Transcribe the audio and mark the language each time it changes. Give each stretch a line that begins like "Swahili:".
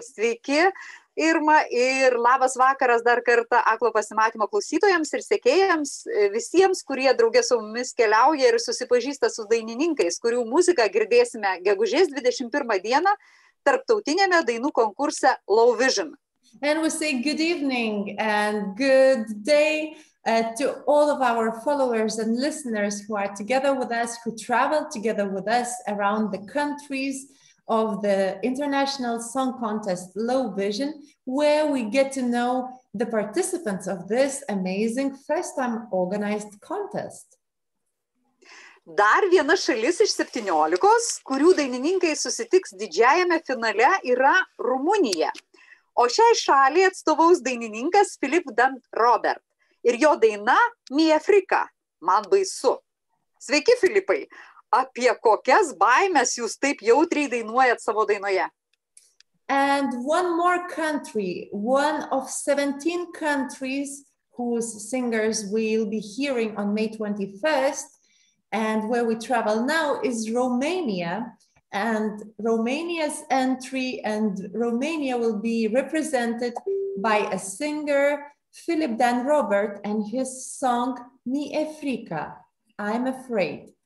Lithuanian: Sveiki, Irma, ir labas vakaras dar kartą aklo pasimatymo klausytojams ir sekėjams, visiems, kurie draugė su mumis keliauja ir susipažįsta su dainininkais, kurių muziką girdėsime gegužės 21 dieną tarptautinėme dainų konkurse Low Vision.
English: And we say good evening and good day to all of our followers and listeners who are together with us, who travel together with us around the countries of the International Song Contest Low Vision, where we get to know the participants of this amazing first-time organized contest.
Lithuanian: Dar viena šalis iš 17, kurių dainininkai susitiks didžiajame finale, yra Rumunija. O šiai šaliai atstovaus dainininkas Filip Dan Robert ir jo daina Mie Frika, man baisu. Sveiki, Filipai. Apie kokias baimes jūs taip jautriai dainuojat savo dainoje?
English: And one more country, one of 17 countries whose singers we'll be hearing on May 21st and where we travel now is Romania. And Romania's entry and Romania will be represented by a singer, Filip Dan Robert, and his song, Mi e Frica, I'm Afraid.